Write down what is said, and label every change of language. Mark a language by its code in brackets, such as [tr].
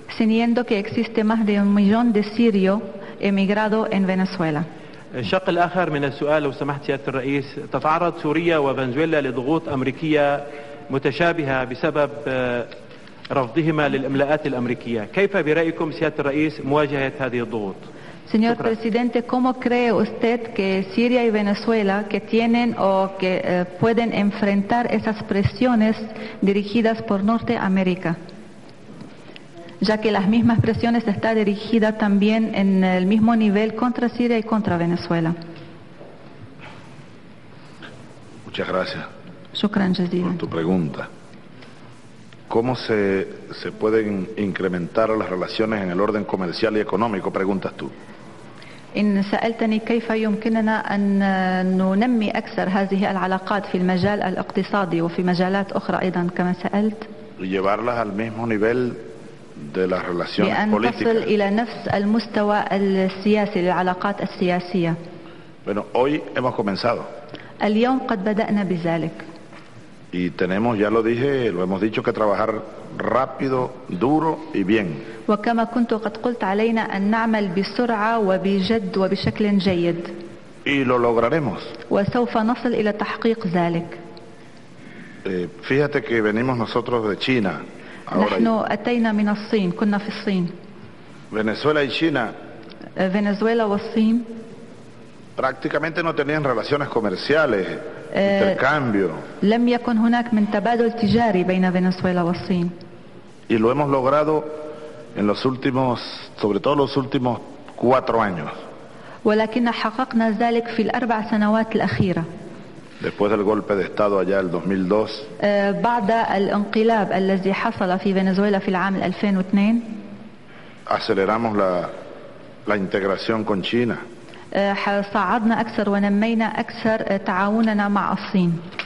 [es] Siniendo que existe más de 1 millón de sirios emigrados en Venezuela. [ar] الشق الآخر من السؤال لو سمحت سيادة الرئيس تتعرض سوريا وفنزويلا لضغوط أمريكية متشابهة بسبب رفضهما للإملاءات الأمريكية. كيف برأيكم سيادة الرئيس مواجهة هذه الضغوط؟ [es] Señor presidente, ¿cómo cree usted que Siria y Venezuela que tienen o que pueden enfrentar esas presiones dirigidas por Norteamérica? Ya que las mismas presiones están dirigidas también en el mismo nivel contra Siria y contra Venezuela. Muchas gracias. [ar] شكراً جزيلاً. [es] Por tu pregunta. ¿Cómo se pueden incrementar las relaciones en el orden comercial y económico? Preguntas tú. [ar] إن سألتني كيف يمكننا أن ننمي أكثر هذه العلاقات في المجال الاقتصادي وفي مجالات أخرى أيضا كما سألت. [es] Llevarlas al mismo nivel de las relaciones [ar] لأن [es] políticas. [ar] تصل إلى نفس المستوى السياسي للعلاقات السياسية. [es] Bueno, hoy hemos comenzado. [ar] اليوم قد بدأنا بذلك. [es] Y tenemos, ya lo dije, lo hemos dicho, que trabajar rápido, duro y bien. [ar] وكما كنت قد قلت علينا أن نعمل بسرعة وبجد وبشكل جيد. [es] Y lo lograremos. [ar] وسوف نصل إلى تحقيق ذلك. [es] Fíjate que venimos nosotros de China. [ar] نحن أتينا من الصين، كنا في الصين. [es] Venezuela y China. [ar] Venezuela والصين. [es] Prácticamente no tenían relaciones comerciales. Intercambio. [ar] لم يكن هناك من تبادل تجاري بين فنزويلا والصين. [es] Y lo hemos logrado en los últimos, sobre todo los últimos 4 años. [ar] ولكن حققنا ذلك في الأربع سنوات الأخيرة. [es] Después del golpe de estado allá el 2002. [ar] بعد الانقلاب الذي حصل في فنزويلا في العام 2002. [es] Aceleramos la integración con China. [ar] صعدنا أكثر ونمينا أكثر تعاوننا مع الصين.